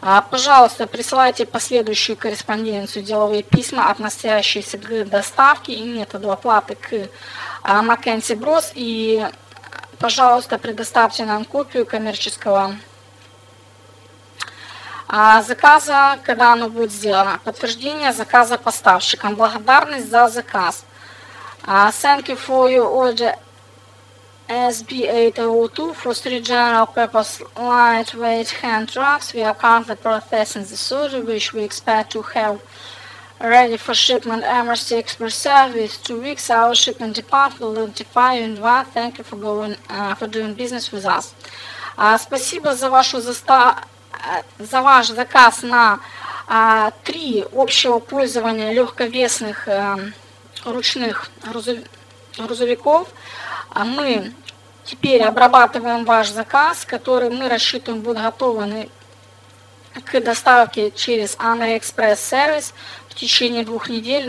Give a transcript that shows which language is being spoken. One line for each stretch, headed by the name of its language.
Russian: Пожалуйста, присылайте последующую корреспонденцию, деловые письма, относящиеся к доставке и методу оплаты к Mackenzie Bros. И, пожалуйста, предоставьте нам копию коммерческого заказа, когда оно будет сделано. Подтверждение заказа поставщикам. Благодарность за заказ.
English: Thank you for your order SB802 for three general purpose lightweight hand trucks. We are currently processing the order, which we expect to have ready for shipment Emergency Express Service 2 weeks. Our shipment department will notify you in advance. Thank you for doing business with us.
Russian: Спасибо за вашу за ваш заказ на три общего пользования легковесных ручных грузовиков. Мы теперь обрабатываем ваш заказ, который мы рассчитываем будет готовым к доставке через AmeriExpress Service в течение 2 недель.